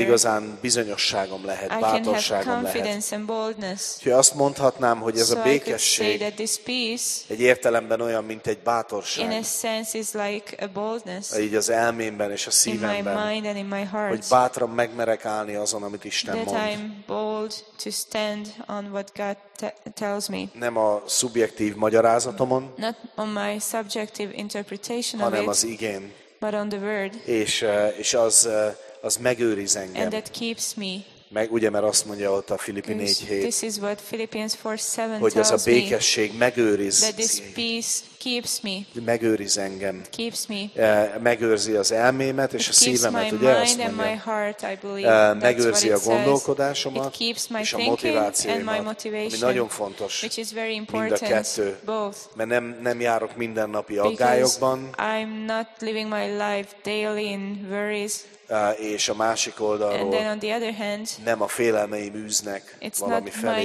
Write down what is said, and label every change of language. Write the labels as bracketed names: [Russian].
[Hungarian] igazán bizonyosságom lehet, [English] I [Hungarian] bátorságom [English] can have confidence [Hungarian] lehet. [English] And boldness. [Hungarian] Úgyhogy azt mondhatnám, hogy ez [English] so [Hungarian] a békesség [English] I could say that this peace, [Hungarian] egy értelemben olyan, mint egy bátorság. [English] In a sense is like a boldness, [Hungarian] így az elmémben és a szívemben. [English] In my mind and in my heart, [Hungarian] hogy bátran megmerek állni azon, amit Isten mond. [English] That I'm bold to stand on what God tells me. [Hungarian] Nem a szubjektív magyarázatomon, [English] not on my subjective interpretation [Hungarian] hanem [English] of it, [Hungarian] az igén, [English] but on the word. [Hungarian] És az megőriz engem. [English] And that keeps me. [Hungarian] Meg ugye, mert azt mondja ott a Filippi 4:7. [English] This is what Philippians 4:7 [Hungarian] hogy ez a békesség [English] me, [Hungarian] megőriz. [English] That this peace keeps me. [Hungarian] Megőriz engem. [English] Keeps me. [Hungarian] Megőrzi az elmémet és [English] it [Hungarian] a szívemet, ugye azt mondja. [English] Heart, [Hungarian] megőrzi a gondolkodásomat [English] keeps my [Hungarian] és a motivációimat. Ami nagyon fontos. [English] Which is very [Hungarian] mind a kettő. [English] Both. [Hungarian] Mert nem járok mindennapi aggályokban. [English] I'm not living my life daily in worries. [Hungarian] És a másik oldalról [English] hand, [Hungarian] nem a félelmeim űznek valami felé,